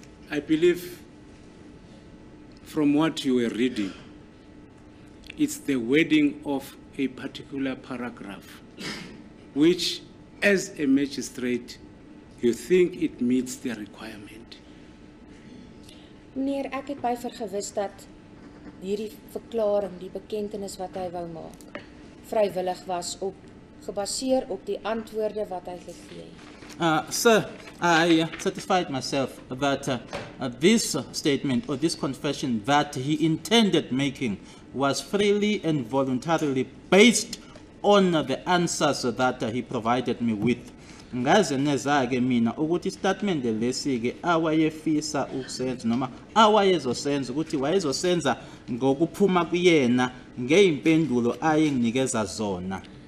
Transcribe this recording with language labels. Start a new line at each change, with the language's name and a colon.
English: I believe from what you were reading, it's the wording of a particular paragraph, which as a magistrate, you think it meets the requirement.
Afrikaans: Meneer, ek het by vergewis dat hierdie verklaring, die bekentenis wat hy wou maak, vrywillig was op gebaseer op die antwoorde wat hy gegee het.
English: Sir, I satisfied myself that this statement or this confession that he intended making was freely and voluntarily based on the answers that he provided me with.
Zulu: Ngaze nezake mina ukuthi statement lesi ke awayefisa ukusenza noma awayezosenza ukuthi wayezosenza ngokuphuma kuyena ngeimpendulo ayenginikeza zona.